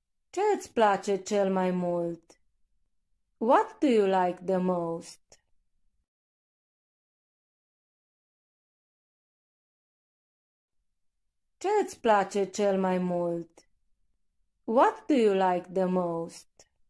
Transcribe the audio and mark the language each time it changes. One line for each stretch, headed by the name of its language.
Romanian: Ce îți place cel mai mult?
English: What do you like the most?
Romanian: Ce îți place cel mai mult?
English: What do you like the most?